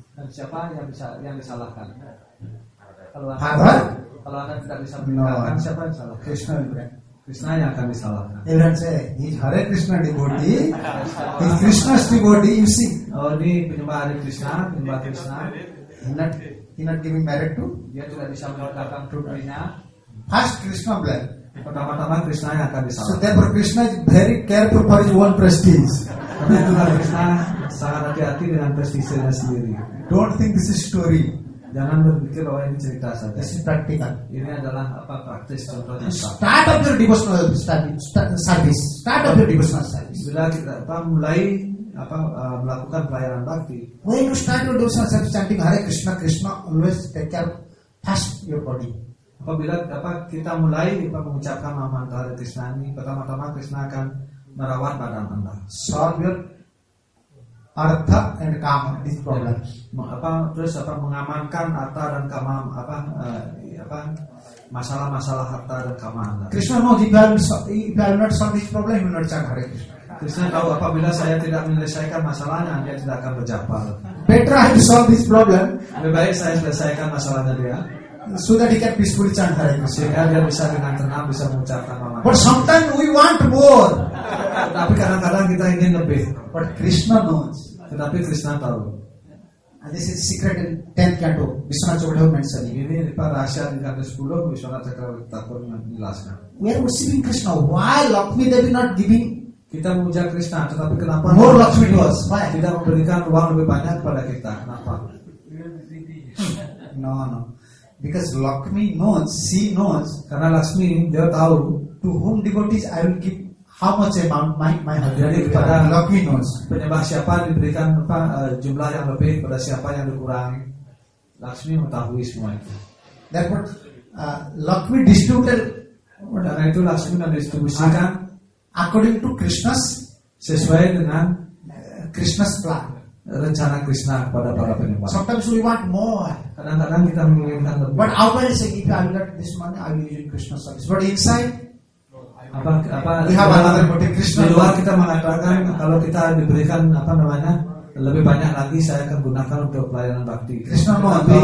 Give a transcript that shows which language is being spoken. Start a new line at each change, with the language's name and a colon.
Indonesian: Dan siapa yang disalahkan? Kalau anda tidak bisa menikahkan, siapa yang salah?
English: Krishna will blame.
Indonesian: Krishna yang akan disalahkan.
English: Everyone say, he's Hare Krishna devotee. He's Krishna's devotee, you see.
Indonesian: Oh, ini penyembah Hare Krishna, penyembah Krishna.
English: He not giving married to?
Indonesian: Dia tidak bisa menikahkan putrinya.
English: First Krishna blame.
Indonesian: Pertama-tama Krishna yang akan disalahkan.
English: So therefore Krishna is very careful for his own prestige.
Indonesian: Karena itulah Krishna sangat hati-hati dengan prestisenya sendiri.
English: Don't think this is story.
Indonesian: Jangan berpikir bahwa ini cerita saja.
English: This is practical.
Indonesian: Ini adalah apa praktis contohnya.
English: Start up your devotional service. Start up your devotional service.
Indonesian: Bila kita apa, mulai apa melakukan pelayanan bhakti.
English: When you start your devotional service chanting Hare Krishna, Krishna always take care first your body.
Indonesian: Apabila apa kita mulai apa mengucapkan nama Hare Krishna ini, pertama-tama Krishna akan merawat badan Anda.
English: Solve your artha and kama, this problem.
Indonesian: Mengapa terus apa mengamankan artha dan kama apa apa masalah-masalah harta dan kama Anda.
English: Krishna
Indonesian: mau dibalik
English: not solve this problem, he will not chant Hare
Indonesian: Krishna. Krishna tahu apabila saya tidak menyelesaikan masalahnya, dia tidak akan berjumpa.
English: Better I solve this problem.
Indonesian: Lebih baik saya selesaikan masalahnya dia. Sudah dikat
English: peacefully chant Hare Krishna.
Indonesian: Sehingga dia bisa dengan tenang bisa mengucapkan nama.
English: But sometimes we want more.
Indonesian: Tapi kadang-kadang kita ingin lebih.
English: But Krishna knows.
Indonesian: Tetapi Krishna tahu.
English: And this is secret in 10th canto. Vishwanath Chakravarti mentioned.
Indonesian: Ini rupa rahasia di canto 10 Vishwanath Chakravarti Thakur menjelaskan.
English: We are worshiping Krishna. Why Lakshmi Devi not giving?
Indonesian: Kita memuja Krishna, tetapi kenapa?
English: More Lakshmi was. Why?
Indonesian: Tidak memberikan ruang lebih banyak pada kita. Kenapa?
English: No, no. Because Lakshmi knows, she knows.
Indonesian: Karena Lakshmi, dia tahu.
English: To whom devotees I will give how much amount my heart.
Indonesian: Jadi kepada
English: Lakshmi knows.
Indonesian: Penyembah siapa diberikan apa jumlah yang lebih pada siapa yang dikurangi. Lakshmi mengetahui semua itu.
English: Therefore, Lakshmi distributed.
Indonesian: Dan itu Lakshmi mendistribusikan.
English: According to Krishna's.
Indonesian: Sesuai dengan
English: Krishna's plan.
Indonesian: Rencana Krishna kepada para penyembah.
English: Sometimes we want more.
Indonesian: Kadang-kadang kita menginginkan lebih.
English: But outside is like, if I will get this money, I will use Krishna service. But inside, apa we have another motive, Krishna.
Indonesian: Di luar kita mengatakan kalau kita diberikan apa namanya lebih banyak lagi saya akan gunakan untuk pelayanan bakti. Krishna mau